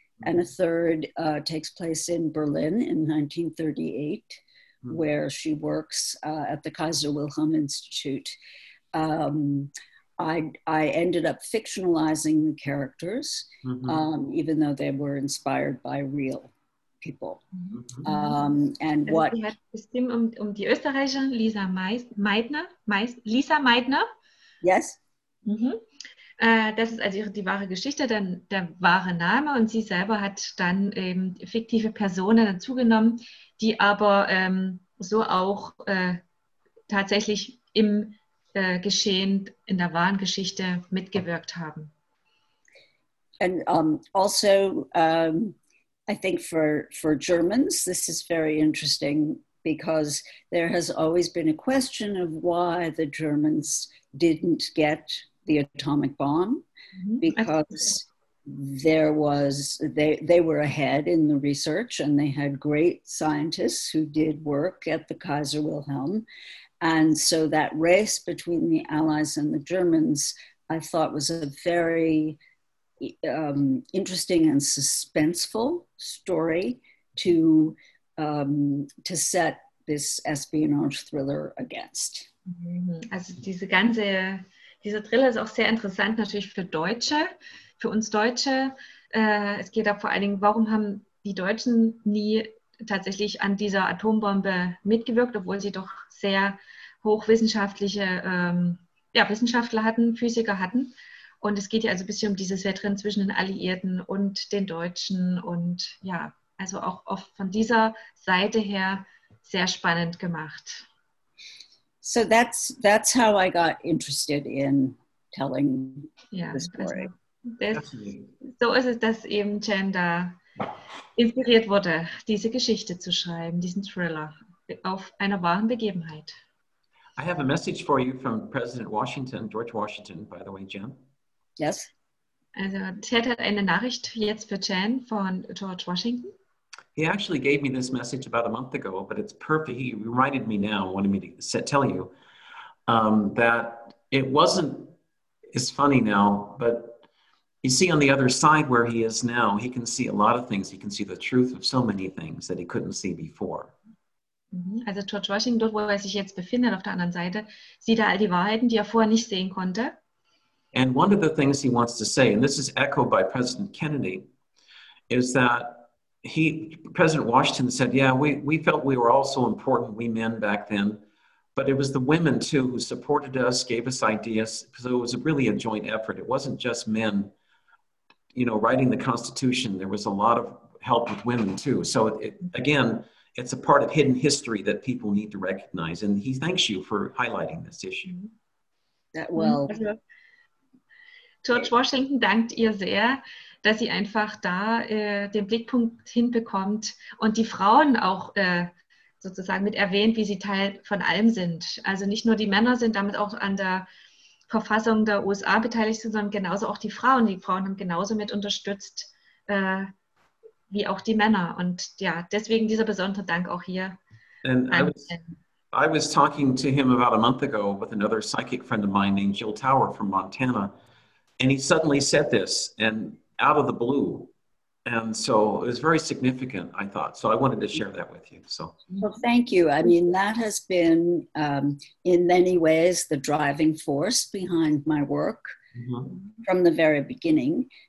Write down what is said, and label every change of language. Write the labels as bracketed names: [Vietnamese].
[English] And a third takes place in Berlin in 1938, mm-hmm. where she works at the Kaiser Wilhelm Institute. I ended up fictionalizing the characters, mm-hmm. Even though they were inspired by real people. Mm-hmm. And also what... [German] Sie hat bestimmt um die Österreicherin Lisa Meitner. [English] Lisa Meitner? Yes. Mm-hmm. [German] Das ist also die wahre Geschichte, der wahre Name und sie selber hat dann eben fiktive Personen dazugenommen, die aber so auch tatsächlich im Geschehen, in der wahren Geschichte mitgewirkt haben. [English] And also, I think for Germans, this is very interesting because there has always been a question of why the Germans didn't get the atomic bomb, because they were ahead in the research and they had great scientists who did work at the Kaiser Wilhelm. And so that race between the Allies and the Germans, I thought was a very interesting and suspenseful story to to set this espionage thriller against. [German] Also diese ganze, dieser Thriller ist auch sehr interessant natürlich für Deutsche, für uns Deutsche. Es geht auch vor allen Dingen, warum haben die Deutschen nie tatsächlich an dieser Atombombe mitgewirkt, obwohl sie doch sehr hochwissenschaftliche Wissenschaftler hatten, Physiker hatten. Und es geht ja also ein bisschen um dieses Wettrennen zwischen den Alliierten und den Deutschen. Und ja, also auch oft von dieser Seite her sehr spannend gemacht. [English] So that's how I got interested in telling the story. [German] Also das, so ist es, dass eben Jen da inspiriert wurde, diese Geschichte zu schreiben, diesen Thriller auf einer wahren Begebenheit. [English] I have a message for you from President Washington, George Washington, by the way, Jen. Yes. [German] Also Ted hat eine Nachricht jetzt für Jen von George Washington. [English] He actually gave me this message about a month ago, but it's perfect. He reminded me now, wanted me to tell you that it wasn't, it's funny now, but you see on the other side where he is now, he can see a lot of things. He can see the truth of so many things that he couldn't see before. [German] Also George Washington, dort wo er sich jetzt befindet, auf der anderen Seite, sieht er all die Wahrheiten, die er vorher nicht sehen konnte. [English] And one of the things he wants to say, and this is echoed by President Kennedy, is that President Washington said, yeah, we felt we were all so important, we men back then, but it was the women too who supported us, gave us ideas, so it was really a joint effort. It wasn't just men, you know, writing the Constitution. There was a lot of help with women too. So again, it's a part of hidden history that people need to recognize, and he thanks you for highlighting this issue. That well, [German] George Washington dankt ihr sehr, dass sie einfach da den Blickpunkt hinbekommt und die Frauen auch sozusagen mit erwähnt, wie sie Teil von allem sind. Also nicht nur die Männer sind damit auch an der Verfassung der USA beteiligt, sondern genauso auch die Frauen. Die Frauen haben genauso mit unterstützt wie auch die Männer. Und ja, deswegen dieser besondere Dank auch hier. [English] I was talking to him about a month ago with another psychic friend of mine named Jill Tower from Montana. And he suddenly said this, and out of the blue. And so it was very significant, I thought. So I wanted to share that with you. So. Well, thank you. I mean, that has been, in many ways, the driving force behind my work from the very beginning.